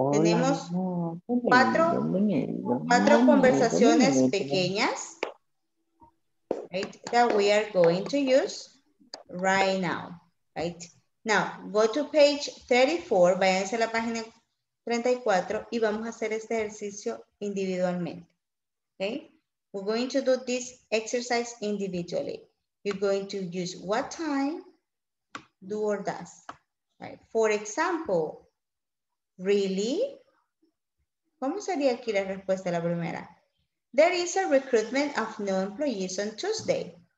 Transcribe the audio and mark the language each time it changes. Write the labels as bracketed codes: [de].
[es] Tenemos cuatro conversaciones pequeñas, [en] right, that we are going to use right now, right? Now, go to page 34, [es] váyanse a la página 34 y vamos a hacer este ejercicio individualmente, [en] okay? We're going to do this exercise individually. You're going to use what time, do or does. Right. For example, really? [es] ¿Cómo sería aquí la respuesta a la primera? [en] There is a recruitment of new employees on Tuesday.